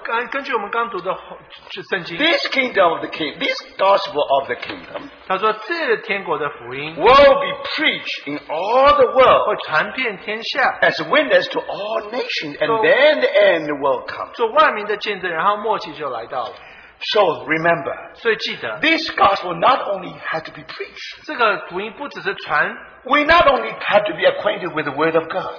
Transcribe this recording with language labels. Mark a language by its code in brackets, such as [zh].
[zh] 根据我们刚读的圣经, [en] this kingdom of the king, this gospel of the kingdom, [zh] 他说这天国的福音, [en] will be preached in all the world, [zh] 会传遍天下, [en] as a witness to all nations, and then the end will come. [zh] 做万民的见证, 然后末期就来到了。 [en] So remember, [zh] 所以记得, [en] this gospel not only had to be preached, [zh] 这个福音不只是传, [en] we not only had to be acquainted with the word of God,